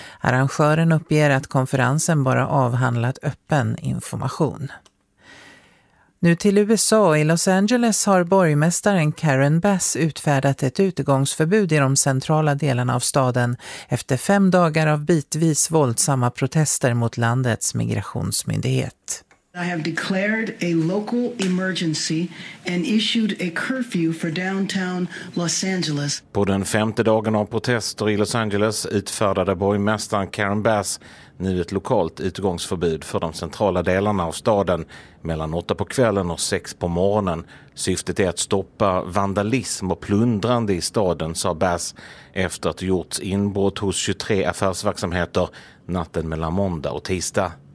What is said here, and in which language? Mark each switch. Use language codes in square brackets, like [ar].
[sv] Arrangören uppger att konferensen bara avhandlat öppen information. Nu till USA. I Los Angeles har borgmästaren Karen Bass utfärdat ett utegångsförbud i de centrala delarna av staden efter 5 dagar av bitvis våldsamma protester mot landets migrationsmyndighet. [en] I have declared a local emergency and issued a curfew for downtown Los Angeles. [sv] På den 5:e dagen av protester i Los Angeles utfärdade borgmästaren Karen Bass nu ett lokalt utegångsförbud för de centrala delarna av staden mellan 8 på kvällen och 6 på morgonen. Syftet är att stoppa vandalism och plundrande i staden, sa Bass efter att gjorts inbrott hos 23 affärsverksamheter natten mellan måndag och tisdag.